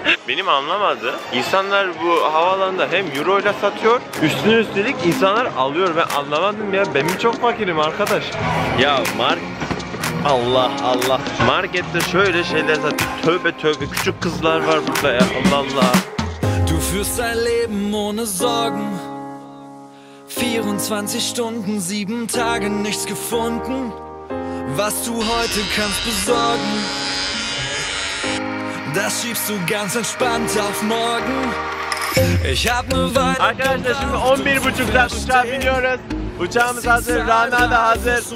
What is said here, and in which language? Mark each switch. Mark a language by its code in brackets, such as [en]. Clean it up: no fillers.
[tr] Benim anlamadı. İnsanlar bu havaalanında hem euro ile satıyor, üstüne üstelik insanlar alıyor. Ben anlamadım ya. Ben mi çok fakirim arkadaş? Ya Allah Allah. Markette şöyle şeyler satıyor. Tövbe tövbe, küçük kızlar var burada ya. Allah Allah. [de] Du führst dein Leben ohne Sorgen. 24 Stunden, 7 Tage nichts gefunden. Was du heute kannst besorgen, das schiebst du ganz entspannt auf morgen. Ich hab ne Weile. [tr] Arkadaşlar şimdi 11.30'da uçağa biniyoruz. Uçağımız hazır, Rana da hazır.